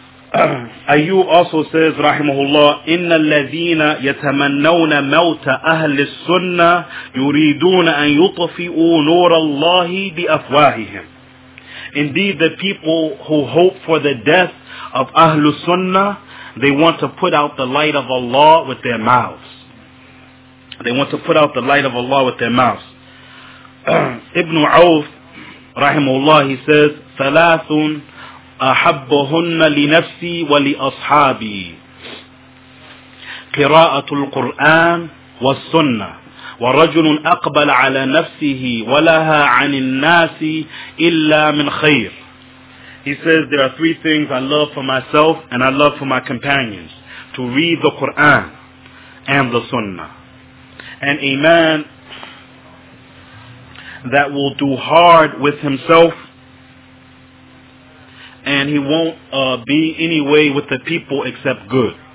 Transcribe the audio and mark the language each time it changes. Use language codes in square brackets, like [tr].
[ar] Ayyub [en] also says, [ar] rahimahullah, إِنَّ الَّذِينَ يَتَمَنَّوْنَ مَوْتَ أَهْلِ السُّنَّةِ يُرِيدُونَ أَن يُطْفِئُوا نُورَ اللَّهِ بِأَفْوَاهِهِمْ. [en] Indeed, the people who hope for the death of Ahlul Sunnah, they want to put out the light of Allah with their mouths. They want to put out the light of Allah with their mouths. Ibn Awf, rahimahullah, he says, [ar] ثَلَاثٌ أحبهن لنفسي ولأصحابي قراءة القرآن والسنة. ورجل أقبل على نفسه ولها عن الناس إلا من خير. [en] He says there are three things I love for myself and I love for my companions: to read the Quran and the Sunnah. And a man that will do hard with himself, and he won't be any way with the people except good.